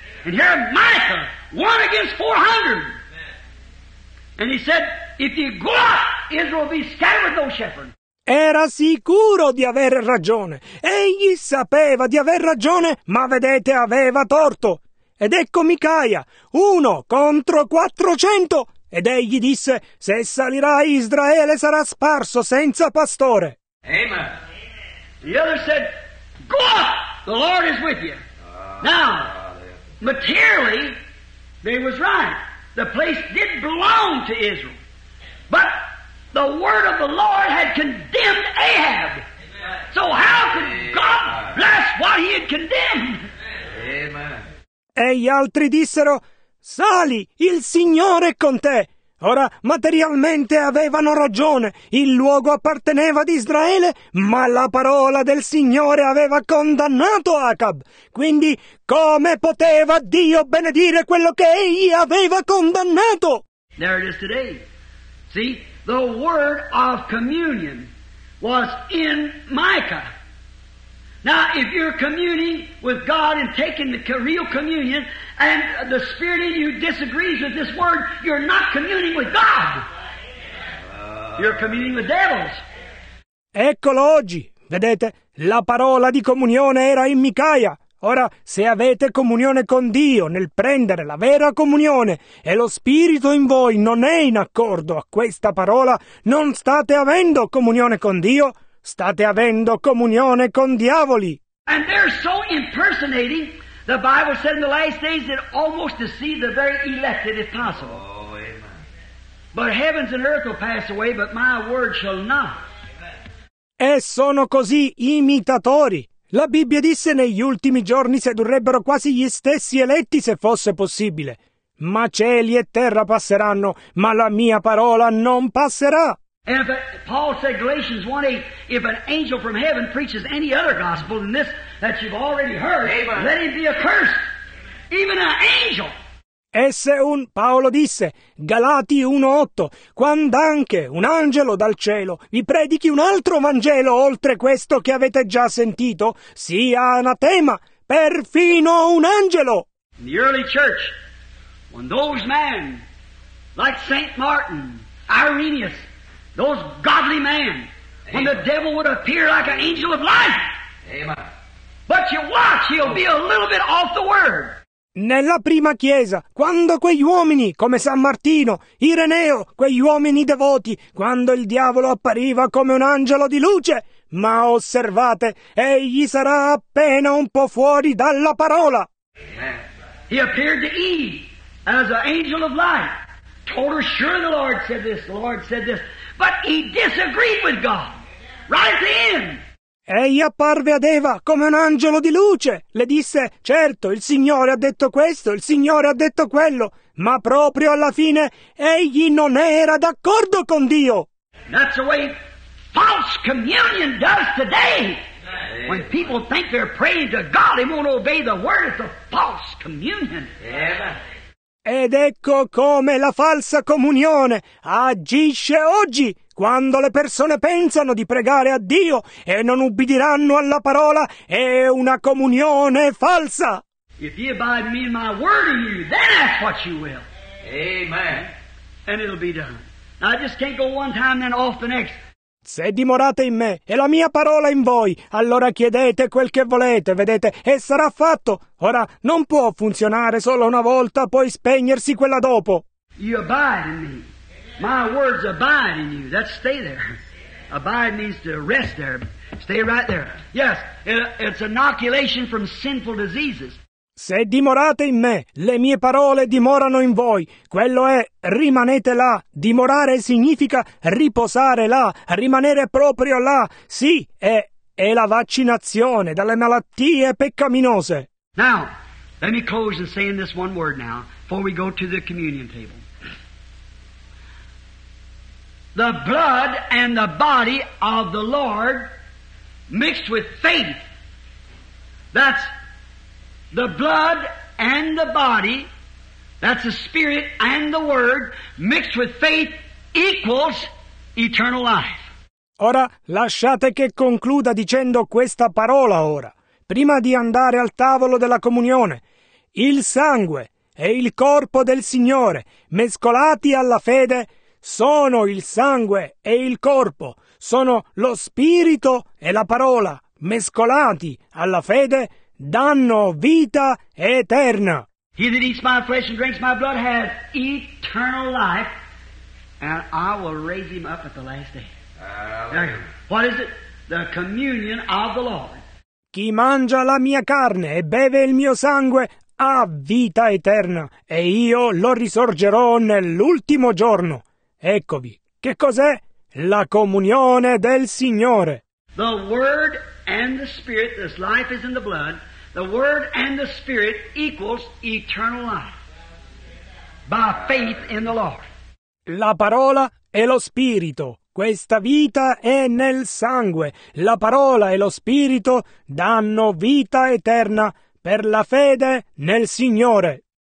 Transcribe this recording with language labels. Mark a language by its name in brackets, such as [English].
[English] And here Micah won against 400. And he said, if you go up, Israel will be scattered with those shepherds. [Italian] Era sicuro di aver ragione. Egli sapeva di aver ragione, ma vedete, aveva torto. Ed ecco Micaia, uno contro 400. Ed egli disse, se salirai Israele sarà sparso senza pastore. Amen. [English] The other said, go up, the Lord is with you. Now, materially, they was right. The place did belong to Israel. But the word of the Lord had condemned Ahab. Amen. So how could God bless what he had condemned? Amen. [Italian] E gli altri dissero, sali, il Signore è con te. Ora, materialmente avevano ragione. Il luogo apparteneva ad Israele, ma la parola del Signore aveva condannato Acab. Quindi, come poteva Dio benedire quello che egli aveva condannato? [English] There it is today. See, the word of communion was in Micah. Now, if you're communing with God and taking the real communion, and the spirit in you disagrees with this word, you're not communing with God. You're communing with devils. [Italian] Eccolo oggi. Vedete, la parola di comunione era in Micaia. Ora, se avete comunione con Dio nel prendere la vera comunione e lo spirito in voi non è in accordo a questa parola, non state avendo comunione con Dio. State avendo comunione con diavoli. [English] And they're so impersonating, the Bible said in the last days that almost deceive the very elected if possible. Oh, amen. But heavens and earth will pass away, but my word shall not. [Italian] E sono così imitatori. La Bibbia disse negli ultimi giorni sedurrebbero quasi gli stessi eletti se fosse possibile. Ma cieli e terra passeranno, ma la mia parola non passerà. [English] And if Paul said, Galatians 1:8, if an angel from heaven preaches any other gospel than this that you've already heard, Amen. Let him be accursed. Even an angel. [Italian] E se un, Paolo disse, Galati 1:8, quand'anche un angelo dal cielo vi predichi un altro Vangelo oltre questo che avete già sentito, sia anatema, perfino un angelo. [English] In the early church, when those men, like St. Martin, Irenaeus, those godly men when the devil would appear like an angel of light. Amen. But you watch, he'll be a little bit off the word. [Italian] Nella prima chiesa, quando quegli uomini, come San Martino, Ireneo, quegli uomini devoti, quando il diavolo appariva come un angelo di luce, ma osservate, egli sarà appena un po' fuori dalla parola. Amen. [English] He appeared to Eve as an angel of light. Told her, sure, the Lord said this. But he disagreed with God. Right then. [Italian] Egli apparve ad Eva come un angelo di luce. Le disse, certo, il Signore ha detto questo, il Signore ha detto quello. Ma proprio alla fine, egli non era d'accordo con Dio. [English] That's the way false communion does today. When people think they're praying to God, they won't obey the word. It's a false communion. Yeah. [Italian] Ed ecco come la falsa comunione agisce oggi. Quando le persone pensano di pregare a Dio e non ubbidiranno alla parola, è una comunione falsa. [English] If you abide me in my word in you, then ask what you will. Amen. And it'll be done. I just can't go one time then off the next. [Italian] Se dimorate in me e la mia parola in voi, allora chiedete quel che volete, vedete, e sarà fatto. Ora, non può funzionare solo una volta, poi spegnersi quella dopo. [English] You abide in me. My words abide in you. That's stay there. Abide means to rest there. Stay right there. Yes, it's inoculation from sinful diseases. [Italian] Se dimorate in me, le mie parole dimorano in voi. Quello è rimanete là. Dimorare significa riposare là, rimanere proprio là. Sì, è la vaccinazione dalle malattie peccaminose. [English] Now, let me close in saying this one word now before we go to the communion table. The blood and the body of the Lord mixed with faith. That's the blood and the body, that's the spirit and the word, mixed with faith equals eternal life. [Italian] Ora lasciate che concluda dicendo questa parola ora, prima di andare al tavolo della comunione. Il sangue e il corpo del Signore mescolati alla fede sono il sangue e il corpo, sono lo spirito e la parola, mescolati alla fede, danno vita eterna. [English] He that eats my flesh and drinks my blood has eternal life, and I will raise him up at the last day. What is it? The communion of the Lord. [Italian] Chi mangia la mia carne e beve il mio sangue ha vita eterna, e io lo risorgerò nell'ultimo giorno. Eccovi, che cos'è? La comunione del Signore. [English] The word and the spirit, this life is in the blood, the word and the spirit equals eternal life. By faith in the Lord. [Italian] La parola e lo spirito, questa vita è nel sangue. La parola e lo spirito danno vita eterna per la fede nel Signore.